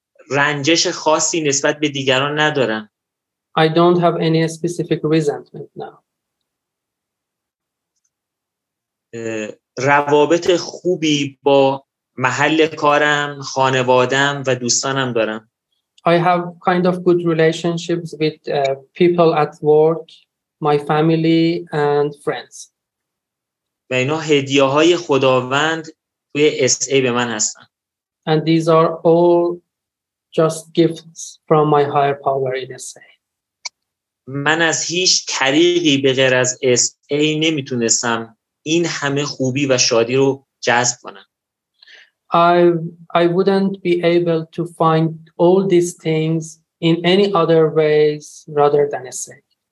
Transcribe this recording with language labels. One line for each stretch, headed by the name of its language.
Persian: رنجش خاصی نسبت به دیگران ندارم.
English: I don't have any specific resentment now.
Persian: روابط خوبی با محل کارم، خانوادم و دوستانم دارم.
English: I have kind of good relationships with people at work, my family and friends.
Persian: و اینا هدیه‌های خداوند توی SA به من هستن.
English: And these are all just gifts from my higher power in SA.
Persian: من از هیچ طریقی به غیر از SA نمیتونستم این همه خوبی و شادی رو جذب کنم.
English: I wouldn't be able to find all these things in any other ways rather than SA.